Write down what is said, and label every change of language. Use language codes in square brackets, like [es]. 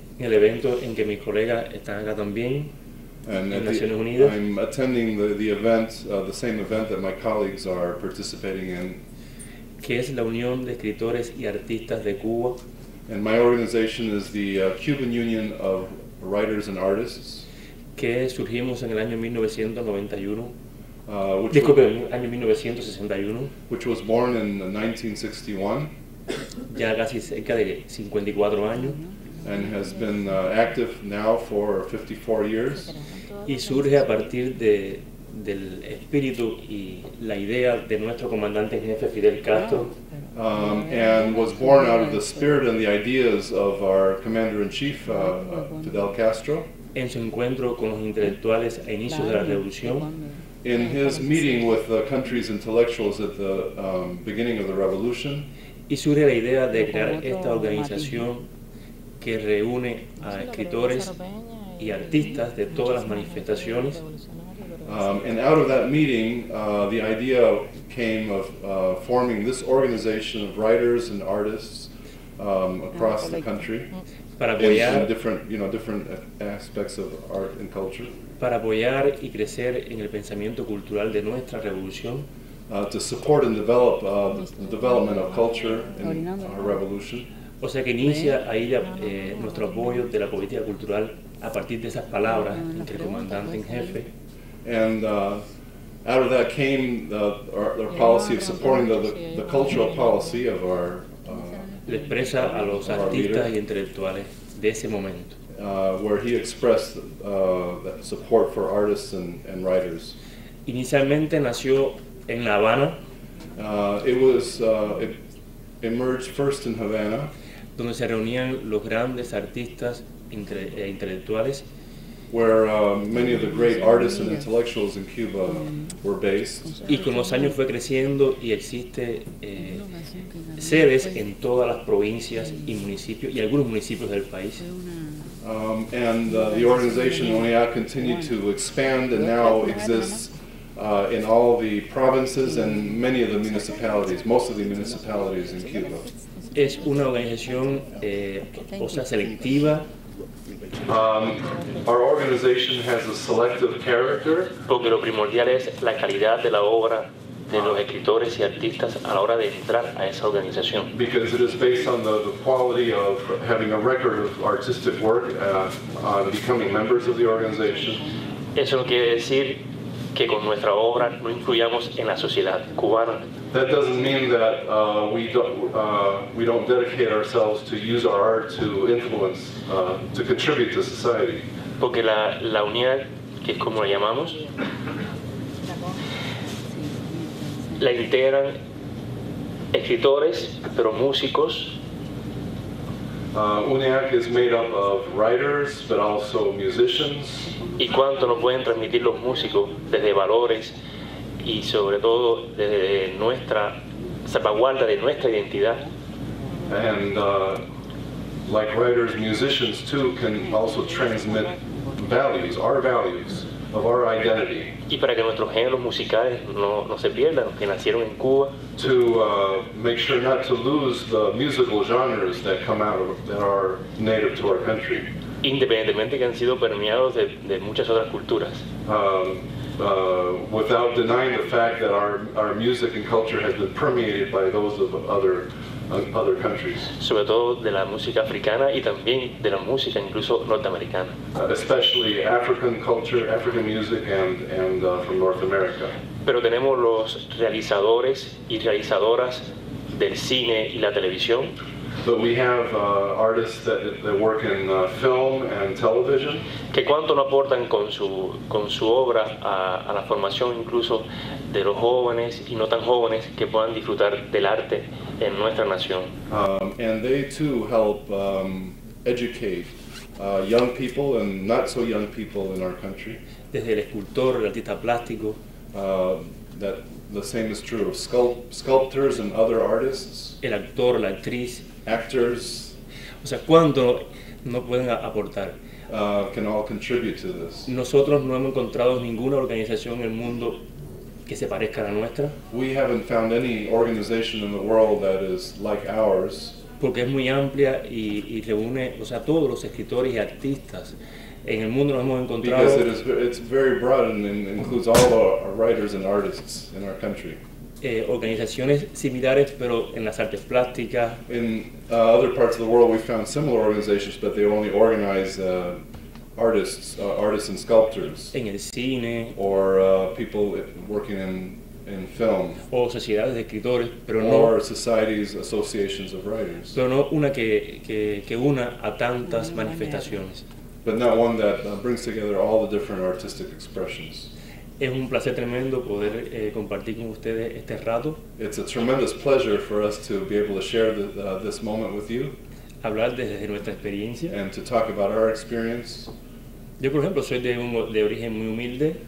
[es] En el evento en que mis colegas están acá también. [en] And at I'm attending the event, the same event that my colleagues are participating in. [es] Que es la Unión de Escritores y Artistas de Cuba. [en] And my organization is the Cuban Union of Writers and Artists. [es] Que surgimos en el año 1991. [en] Which was born in 1961. [es] Ya casi cerca de 54 años. [en] And has been active now for 54 years. [es] Y surge a partir del espíritu y la idea de nuestro comandante en jefe Fidel Castro. [en] And was born out of the spirit and the ideas of our commander-in-chief, Fidel Castro. [es] En su encuentro con los intelectuales a inicios de la revolución. [en] In his meeting with the country's intellectuals at the beginning of the revolution. [es] Y surge la idea de crear esta organización que reúne a escritores y artistas de todas las manifestaciones. [en] And out of that meeting, the idea came of forming this organization of writers and artists across the country. [es] Para apoyar [en] different aspects of art and culture. [es] Para apoyar y crecer en el pensamiento cultural de nuestra revolución. [en] To support and develop the development of culture in our revolution. [es] O sea que inicia ahí nuestro apoyo de la política cultural a partir de esas palabras entre el comandante en jefe. [en] And out of that came our policy of supporting the cultural policy of our [es] le expresa a los artistas y intelectuales de ese momento. [en] Where he expressed the support for artists and writers. [es] Inicialmente nació en La Habana. [en] It emerged first in Havana. [es] Donde se reunían los grandes artistas intelectuales. [en] Where many of the great artists and intellectuals in Cuba were based. [es] Y con los años fue creciendo y existe sedes en todas las provincias y municipios y algunos municipios del país. [en] The organization ONIAC continued to expand and now exists in all the provinces and many of the municipalities, most of the municipalities in Cuba. [es] Es una organización selectiva. [en] Our organization has a selective character. [es] Porque lo primordial es la calidad de la obra de los escritores y artistas a la hora de entrar a esa organización. [en] Because it is based on the quality of having a record of artistic work on becoming members of the organization. [es] Eso no quiere decir que con nuestra obra no influyamos en la sociedad cubana. [en] That doesn't mean that we don't dedicate ourselves to use our art to influence, to contribute to society. [es] Porque la unidad, que es como la llamamos, la integran escritores, pero músicos. [en] UNIAC is made up of writers, but also musicians. [es] ¿Y cuánto nos pueden transmitir los músicos desde valores y sobre todo desde nuestra salvaguarda de nuestra identidad? [en] And like writers, musicians too can also transmit values, our values, of our identity. [es] Y para que nuestros géneros musicales no se pierdan, que nacieron en Cuba. [en] To make sure not to lose the musical genres that come out of, that are native to our country. [es] Independientemente que han sido permeados de muchas otras culturas. [en] Without denying the fact that our music and culture has been permeated by those of other countries. [es] Sobre todo de la música africana y también de la música incluso norteamericana. [en] Especially African culture, African music and from North America. [es] Pero tenemos los realizadores y realizadoras del cine y la televisión. [en] But we have artists that work in film and television. [es] ¿Qué cuánto no aportan con su obra a la formación incluso de los jóvenes y no tan jóvenes que puedan disfrutar del arte en nuestra nación? [en] And they too help educate young people and not so young people in our country. [es] Desde el escultor, el artista plástico. [en] That the same is true of sculptors and other artists. [es] El actor, la actriz. [en] Actors, [es] o sea, ¿cuánto no pueden aportar? [en] Can all contribute to this. [es] Nosotros no hemos encontrado ninguna organización en el mundo que se parezca a la nuestra. [en] We haven't found any organization in the world that is like ours. [es] Porque es muy amplia y reúne, o sea, todos los escritores y artistas en el mundo nos hemos encontrado. [en] Because it's very broad and includes all our writers and artists in our country. [es] Organizaciones similares, pero en las artes plásticas. [en] In other parts of the world, we found similar organizations, but they only organize artists and sculptors. [es] En el cine. [en] Or people working in film. [es] O sociedades de escritores, pero [en] or no. Or societies, associations of writers. [es] Pero no una que una a tantas manifestaciones. [en] But not one that brings together all the different artistic expressions. [es] Es un placer tremendo poder compartir con ustedes este rato. [en] It's a tremendous pleasure for us to be able to share this moment with you. [es] Hablar desde nuestra experiencia. [en] And to talk about our experience. [es] Yo, por ejemplo, soy de origen muy humilde.